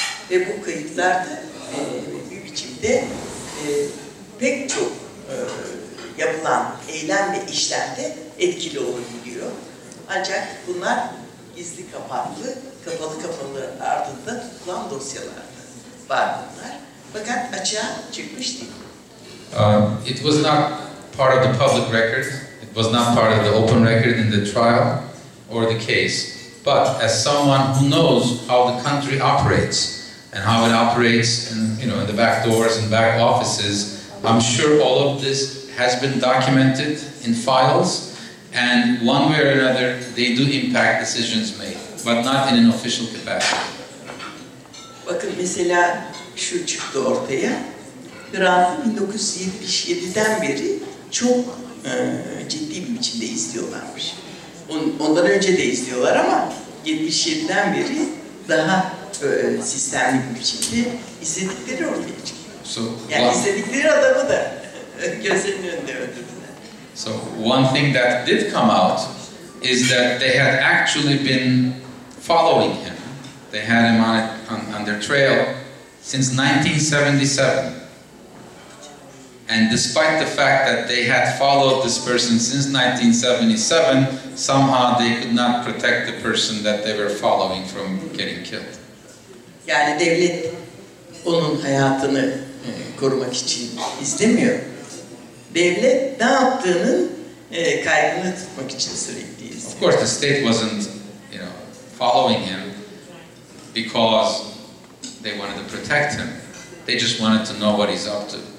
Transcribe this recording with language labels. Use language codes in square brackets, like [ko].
[tr] Ve bu kayıtlar da bir biçimde pek çok yapılan eylem ve işlemde etkili olabiliyor. Ancak bunlar gizli kapaklı, kapalı kapalı ardında tutulan dosyalarda var bunlar. Fakat açığa çıkmış değil. [en] It was not part of the public record. It was not part of the open record in the trial or the case. But as someone who knows how the country operates, and how it operates, and you know, in the back doors and back offices, I'm sure all of this has been documented in files, and one way or another, they do impact decisions made, but not in an official capacity. [tr] Bakın mesela şu çıktı ortaya. Hrant'ı 1977'den beri çok ciddi bir biçimde izliyorlarmış. Ondan önce de izliyorlar ama 77'den beri daha sistemli bir biçimde izledikleri ortaya çıkıyor. [en] So, [tr] yani one, izledikleri adamı da gözlerinin önünde öldürdüler. [en] So one thing that did come out is that they had actually been following him. They had him on their trail since 1977. And despite the fact that they had followed this person since 1977, somehow they could not protect the person that they were following from getting killed. [tr] Yani devlet onun hayatını korumak için istemiyor. Devlet ne yaptığının kaygını tutmak için sürekli istiyor. [en] Of course the state wasn't, you know, following him because they wanted to protect him. They just wanted to know what he's up to.